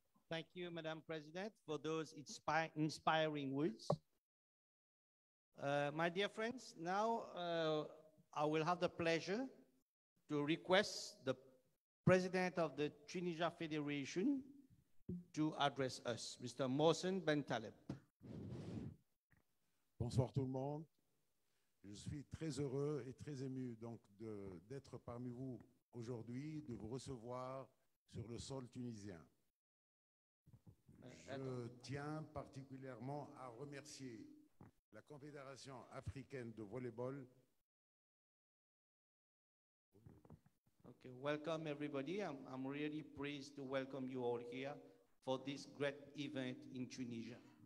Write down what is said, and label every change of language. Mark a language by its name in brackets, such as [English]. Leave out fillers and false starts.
[English] Thank you, Madam President, for those inspiring words. My dear friends, now I will have the pleasure to request the President of the Trinidad Federation to address us, Mr. Mohsen Bentaleb. [French] Bonsoir tout le monde. Je suis très heureux et très ému donc d'être parmi vous aujourd'hui, de vous recevoir sur le sol tunisien. Je tiens particulièrement à remercier la Confédération africaine de volleyball. [English] Okay, welcome everybody. I'm really pleased to welcome you all here for this great event in Tunisia.